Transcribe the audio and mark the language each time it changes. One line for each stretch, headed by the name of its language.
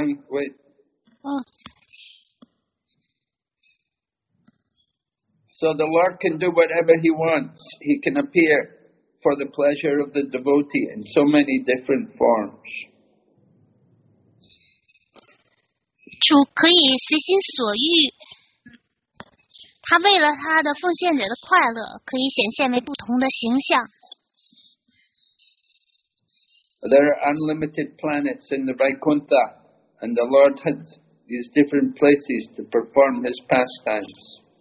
English: Wait. So the Lord can do whatever He wants. He can appear for the pleasure of the devotee in so many different forms.
Chinese: 主可以随心所欲，他为了他的奉献者的快乐，可以显现为不同的形象。
English: There are unlimited planets in the Vaikuntha, and the Lord has these different places to perform His pastimes.